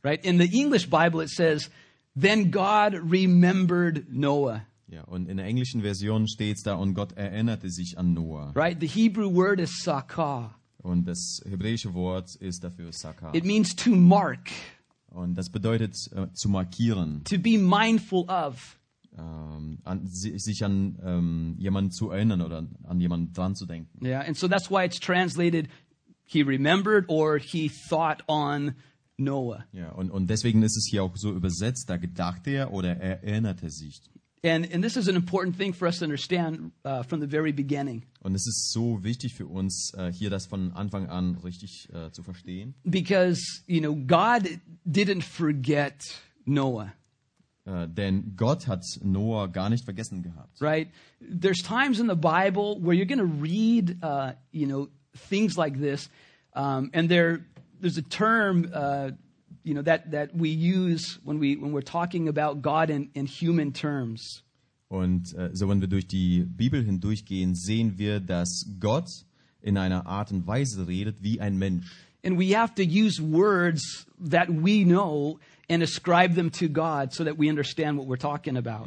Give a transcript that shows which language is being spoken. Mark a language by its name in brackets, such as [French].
[English] Right, in the English Bible it says, then God remembered Noah. [German] Ja, und in der englischen Version steht es da, und Gott erinnerte sich an Noah. [English] Right, the Hebrew word is sakah. [German] Und das hebräische Wort ist dafür sakah. [English] It means to mark. [German] Und das bedeutet zu markieren. [English] To be mindful of. [German] Sich an jemanden zu erinnern oder an jemanden dran zu denken. [English] Yeah, and so that's why it's translated he remembered or he thought on Noah. [German] Ja, und deswegen ist es hier auch so übersetzt, da gedachte er oder erinnerte sich. [English] And this is an important thing for us to understand from the very beginning. [German] Und es ist so wichtig für uns hier das von Anfang an richtig zu verstehen. [English] Because, you know, God didn't forget Noah. [German] Denn Gott hat Noah gar nicht vergessen gehabt. [English] Right, there's times in the Bible where you're going to read, you know, things like this, And there's a term, you know, that we use when we're talking about God in human terms. [German] Und so, wenn wir durch die Bibel hindurchgehen, sehen wir, dass Gott in einer Art und Weise redet wie ein Mensch. [English] And we have to use words that we know and ascribe them to God so that we understand what we're talking about.